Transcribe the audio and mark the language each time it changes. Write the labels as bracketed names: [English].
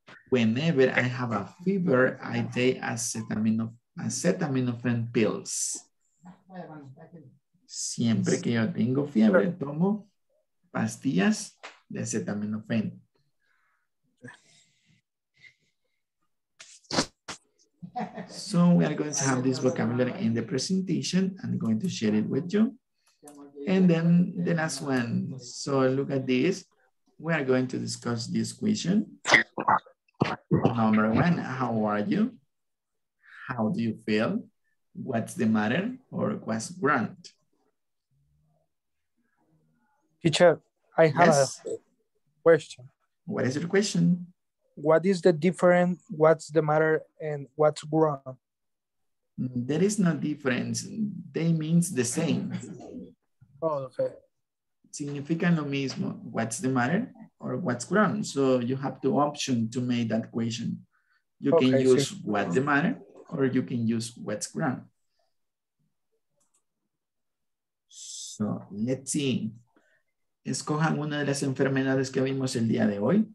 [English] Whenever I have a fever, I take acetaminophen pills. [Spanish] Siempre que yo tengo fiebre, tomo pastillas de acetaminofén. [English] So we are going to have this vocabulary in the presentation. I'm going to share it with you. And then the last one. So look at this. We are going to discuss this question. Number one, how are you? How do you feel? What's the matter? Or what's wrong? Teacher, I have... Yes. question. What is your question? What is the difference, what's the matter, and what's wrong? There is no difference. They means the same. Oh, okay. [Spanish] Significan lo mismo, [English] what's the matter or what's wrong? So you have the option to make that question. You can use what's the matter or you can use what's wrong. So let's see. [Spanish] Escojan una de las enfermedades que vimos el día de hoy.